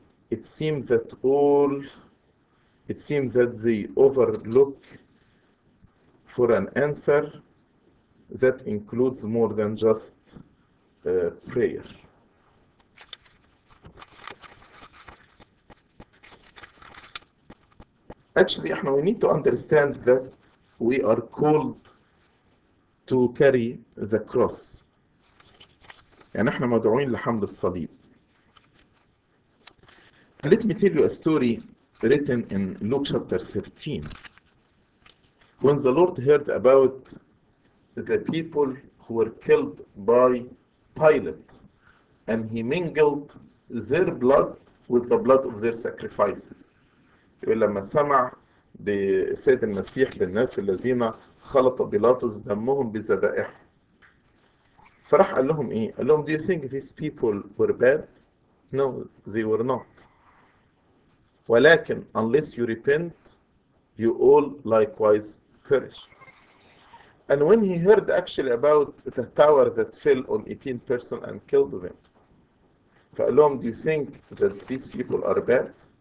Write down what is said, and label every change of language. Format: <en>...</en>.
<en>It seems that they overlook for an answer that includes more than just prayer. Actually, we need to understand that we are called to carry the cross.</en> <ar>يعني احنا مدعوين لحمل الصليب.</ar> <en>Let me tell you a story written in Luke chapter 17. When the Lord heard about the people who were killed by Pilate, and he mingled their blood with the blood of their sacrifices.</en> <ar>لما سمع بسيد المسيح بالناس الذين خلط بيلاطس دمهم بذبائح فراح قال لهم ايه؟ قال لهم</ar> <en>Do you think these people were bad? No, they were not. ولكن unless you repent, you all likewise perish. And when he heard actually about the tower that fell on 18 persons and killed them,</en> <ar>فقال لهم</ar> <en>Do you think that these people are bad?</en>